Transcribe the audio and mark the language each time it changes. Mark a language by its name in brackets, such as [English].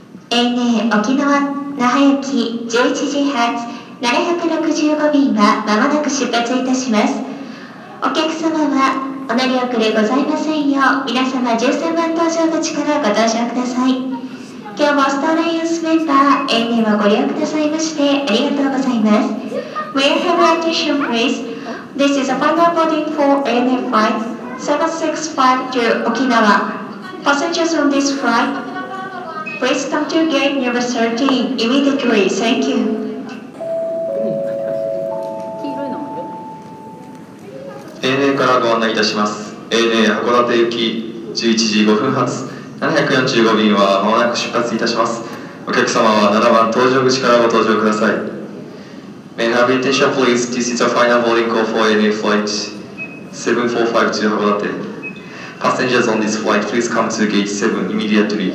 [Japanese] ANA 沖縄那覇行き11時発765便は間もなく出発いたします。お客様はお乗り遅れございませんよう、皆様13番搭乗口からご搭乗ください。今日もスターラインスメンバー永遠をご利用くださいましてありがとうございます。 [English] We have attention please. This is a final boarding for ANA flight 765 to Okinawa. Passengers on this flight, please come to gate number 13 immediately. Thank you. [Japanese] ANA からご案内いたします。 ANA 函館行き11時5分発745便は間もなく出発いたします。お客様は7番搭乗口からご搭乗ください。 [English] May I have attention please. This is the final boarding call for ANA flight 745 to 函館. Passengers on this flight, please come to gate 7 immediately.